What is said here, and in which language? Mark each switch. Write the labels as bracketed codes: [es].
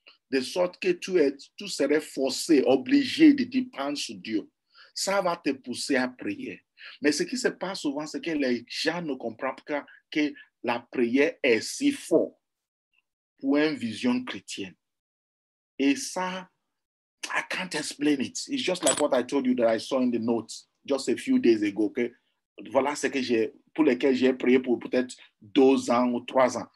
[fr] De sorte que tu serais forcé, obligé de dépendre sur Dieu. Ça va te pousser à prier. Mais ce qui se passe souvent, c'est que les gens ne comprennent pas que la prière est si forte pour une vision chrétienne. Et ça, [en] I can't explain it. It's just like what I told you that I saw in the notes just a few days ago. Okay? [fr] Voilà ce que j'ai, pour lequel j'ai prié pour peut-être 2 ans ou 3 ans.